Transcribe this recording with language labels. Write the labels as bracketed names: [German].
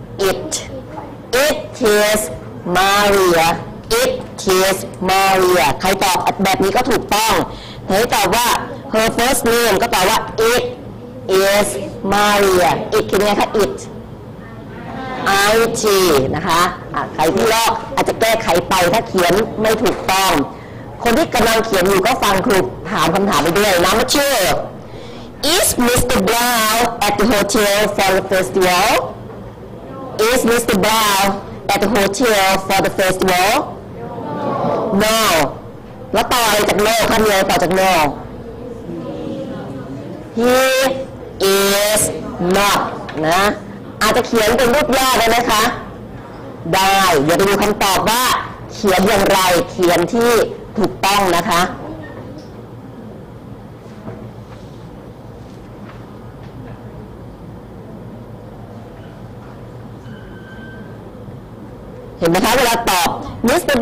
[English] it is Maria it is Maria [Thai] ใครตอบแบบนี้ก็ถูกต้องเธอตอบว่า [English] her first name [Thai] ก็ตอบว่า [English] it is Maria [Thai] it คือไงคะ it it นะคะใครที่ลอกอาจจะแก้ไขไปถ้าเขียนไม่ถูกต้องคนที่กำลังเขียนอยู่ก็ฟังครูถามคำถามไปด้วยนะมาเชื่อ [English] Is Mr. Brown at the hotel for the festival? Is Mr. Brown at the hotel for the festival? No. [Thai] แล้วต่ออะไรจาก no คำเดียวต่อจาก no [English] He is not [Thai] นะอาจจะเขียนเป็นรูปย่อได้ไหมคะได้เดี๋ยวไปดูคำตอบว่าเขียนอย่างไรเขียนที่ถูกต้องนะคะเห็นไหมคะเวลาตอบ Mr.